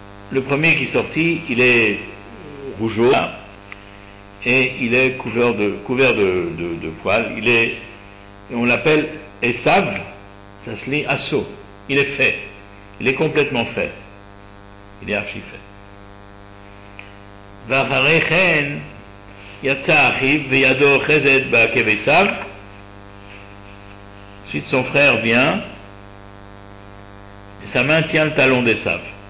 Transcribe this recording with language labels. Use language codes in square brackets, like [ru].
[fr] Le premier qui sortit, il est rougeau et il est couvert de poils. Il est, on l'appelle Esav, ça se lit Asso. Il est fait. Il est complètement fait. Il est archi fait. [he] ואחרי כן יצא אחיו וידו חזד בעקב עשיו. [fr] Ensuite son frère vient et sa main tient le talon d'Esav.